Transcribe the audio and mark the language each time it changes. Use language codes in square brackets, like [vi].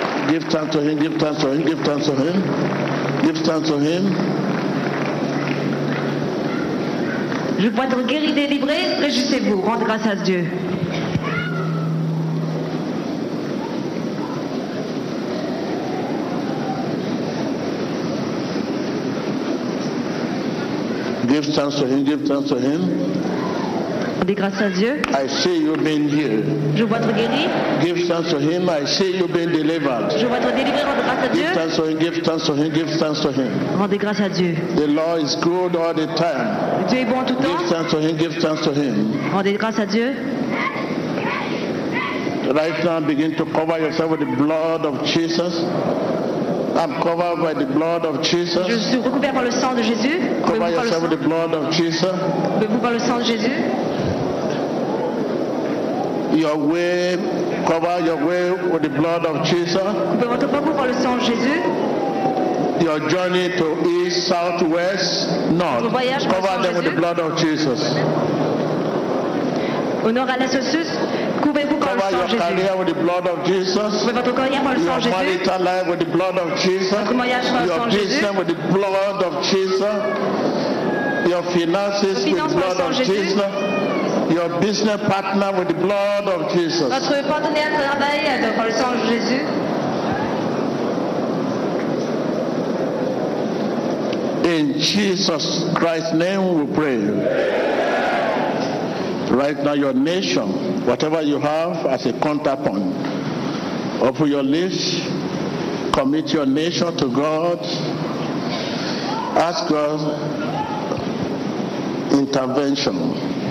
[en] Give thanks to him, give thanks to him, give thanks to him. Give thanks to him. [fr] Je vois être guéri, délivré, réjouissez-vous, rendez grâce à Dieu. [en] Give thanks to him, give thanks to him. [fr] Rendez grâce à Dieu. [en] I see you being healed. [fr] Je vois être guéri. [en] Give thanks to him, I see you being delivered. [fr] Je vois être délivré, rendez grâce à Dieu. [en] Give thanks to him, give thanks to him, give thanks to him. [fr] Rendez grâce à Dieu. [en] The Lord is good all the time. [fr] Dieu est bon tout [en] give [fr] temps. [en] Thanks to him, give thanks to him. [fr] Rendez grâce à Dieu. [en] Right now begin to cover yourself with the blood of Jesus. I'm covered by the blood of Jesus. [fr] Je suis recouvert par le sang de Jésus. [en] Cover yourself with the blood of Jesus. [fr] Couvrez-vous par le sang de Jésus. [en] Your way, cover your way with the blood of Jesus. [fr] Couvrez votre parcours par le sang de Jésus. [en] Your journey to east, south, west, north. Cover them with the blood of Jesus. [fr] Au nord, à l'est, au sud. Couvrez-vous par le sang de Jésus. [en] Cover your career with the blood of Jesus. [fr] Couvrez votre carrière par le sang de Jésus. [en] Your marital life with the blood of Jesus. [fr] Votre mariage par le sang de Jésus. [en] Your business with the blood of Jesus. Your finances with the blood of Jésus. Jesus. your business partner with the blood of Jesus. [fr] Votre partenaire de travail dans le sang de Jésus. [en] In Jesus Christ's name we pray. Right now your nation, whatever you have as a counterpoint, open your lips, commit your nation to God, ask God intervention.